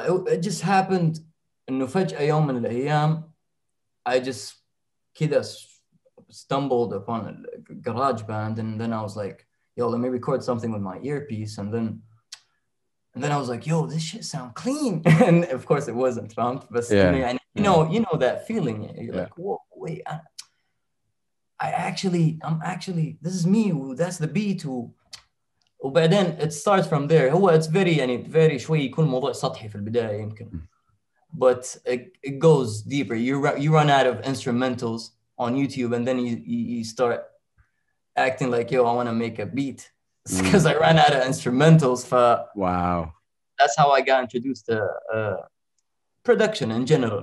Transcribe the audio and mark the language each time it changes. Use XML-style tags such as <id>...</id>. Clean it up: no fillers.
<en>It just happened</en> <ar>إنه فجأة يوم من الأيام</ar> <en>I just kinda stumbled upon a garage band and then I was like, yo, let me record something with my earpiece. And then I was like, yo, this shit sound clean. And of course it wasn't, but you know that feeling. You're like, whoa, wait, I'm actually, this is me, that's the beat. But then it starts from there. It's very,</en> <ar>يعني, very شوي يكون موضوع سطحي في البداية يمكن.</ar> <en>But it goes deeper. You run out of instrumentals on YouTube and then you start acting like, yo, I want to make a beat. It's because I ran out of instrumentals. Wow. That's how I got introduced to production in general.</en>